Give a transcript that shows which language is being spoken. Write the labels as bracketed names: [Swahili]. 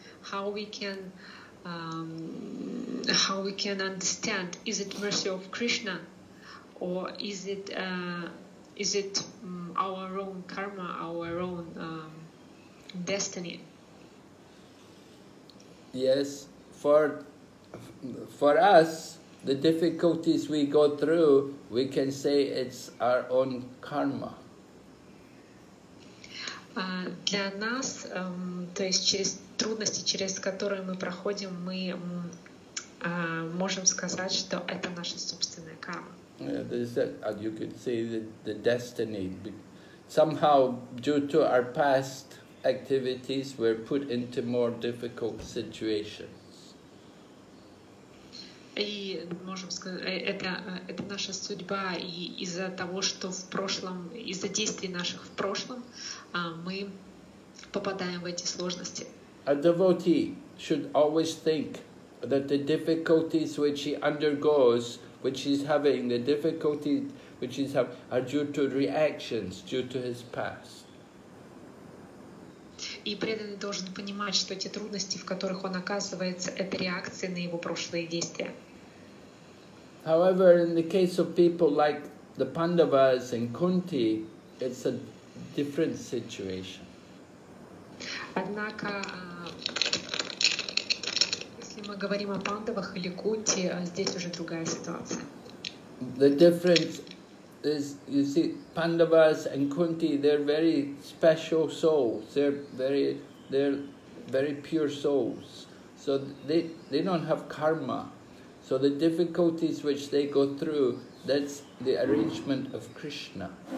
[English] How we can understand, is it mercy of Krishna or is it our own karma, our own destiny? Yes, for us, the difficulties we go through, we can say it's our own karma. [Russian] Для нас, то есть через трудности, через которые мы проходим, мы можем сказать, что это наша собственная карма. [English] You could say the destiny. Somehow, due to our past activities, were put into more difficult situations. [Russian] И можем сказать, это наша судьба, и из-за того, что в прошлом, из-за действий наших в прошлом, мы попадаем в эти сложности. [English] A devotee should always think that the difficulties which he undergoes, which he's having, the difficulties which he's having, are due to reactions, due to his past. [Russian] И преданный должен понимать, что те трудности, в которых он оказывается, это реакции на его прошлые действия. [English] However, in the case of people like the Pandavas and Kunti, it's a different situation. [Russian] Однако, если мы говорим о Пандавах или Кунти, здесь уже другая ситуация. [English] The difference is, you see, Pandavas and Kunti, they're very special souls. They're very pure souls. So they don't have karma. So the difficulties which they go through, that's the arrangement of Krishna.